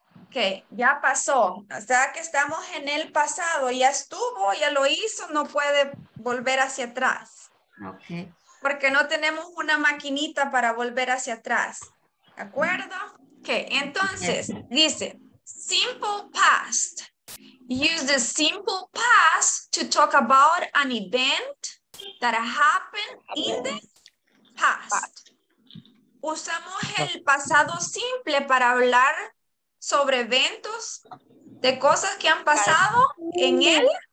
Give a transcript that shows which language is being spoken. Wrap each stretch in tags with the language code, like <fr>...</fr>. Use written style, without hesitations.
<es>Que ya pasó, o sea que estamos en el pasado, ya estuvo, ya lo hizo, no puede volver hacia atrás. Okay. Porque no tenemos una maquinita para volver hacia atrás, ¿de acuerdo? Que entonces, dice, simple past.</es> <en>Use the simple past to talk about an event that happened in the past.</en> <es>usamos el pasado simple para hablar sobre eventos de cosas que han pasado en el</es>